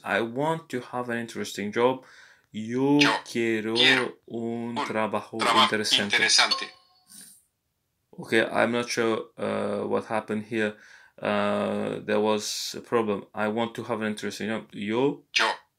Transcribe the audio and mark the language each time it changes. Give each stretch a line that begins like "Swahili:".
English: I want to have an interesting job.
Spanish: Yo quiero un trabajo interesante.
English: Okay, I'm not sure what happened here. There was a problem. I want to have an interesting job.